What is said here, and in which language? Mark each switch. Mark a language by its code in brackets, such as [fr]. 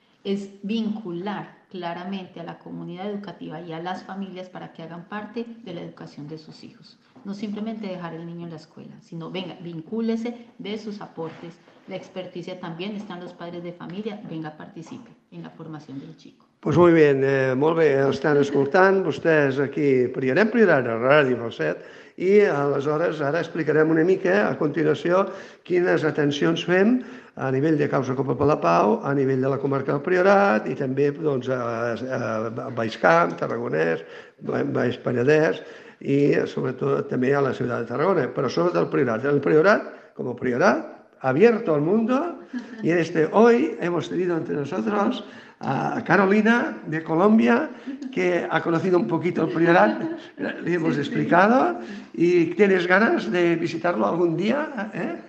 [es] Es vincular claramente a la comunidad educativa y a las familias para que hagan parte de la educación de sus hijos. No simplemente dejar el niño en la escuela, sino venga, vincúlese, dé sus aportes. La experticia también está en los padres de familia, venga, participe en la formación del chico. Pues muy bien, [ca] molt bé, estan escoltant vostès aquí, Prioren Prioren, a Ràdio Falset, i aleshores ara explicarem una mica, a continuació, quines atencions fem a nivell de Causa Copa per la Pau, a nivell de la comarca del Priorat i també doncs, a Baix Camp, Tarragonès, Baix Penedès i sobretot també a la ciutat de Tarragona, però sobretot al Priorat. El Priorat, com a Priorat, [es] abierto al mundo, y en este hoy hemos tenido entre nosotros a Carolina de Colombia, que ha conocido un poquito el Priorat, le hemos explicado, y tienes ganas de visitarlo algún día, ¿eh?